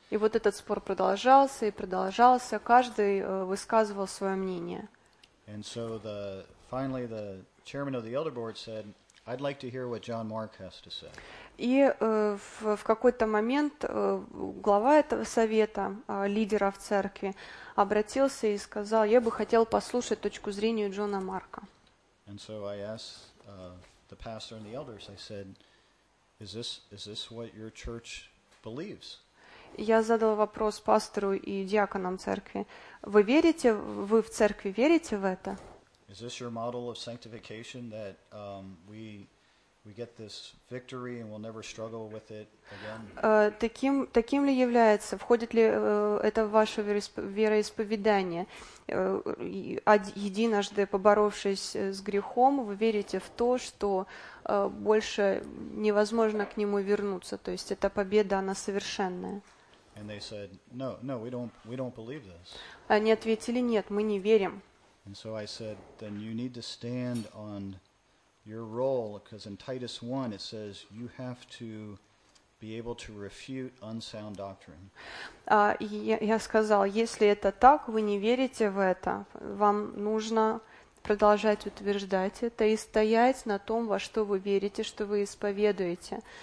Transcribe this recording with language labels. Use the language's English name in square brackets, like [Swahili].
[Russian] И вот этот спор продолжался и продолжался. Каждый высказывал свое мнение. [English] And so finally the chairman of the elder board said. I'd like to hear what John Mark has to say. [Russian] И в какой-то момент глава этого совета лидеров церкви обратился и сказал: "Я бы хотел послушать точку зрения Джона Марка". [English] And so I asked the pastor and the elders. I said, "Is this what your church believes?" [Russian] Я задал вопрос пастору и диаконам церкви: "Вы верите, вы в церкви верите в это?" [English] Is this your model of sanctification that we get this victory and we'll never struggle with it again? [Russian] Таким ли является, входит ли это в ваше вероисповедание? Единожды поборовшись с грехом, вы верите в то, что больше невозможно к нему вернуться, то есть эта победа она совершенная? [English] And they said, no, we don't believe this. [Russian] Они ответили: "Нет, мы не верим". [English] And so I said, then you need to stand on your role, because in Titus 1 it says you have to be able to refute unsound doctrine. [Russian] Я сказал, если это так, вы не верите в это, вам нужно продолжать утверждать это и стоять на том, во что вы верите, что вы исповедуете.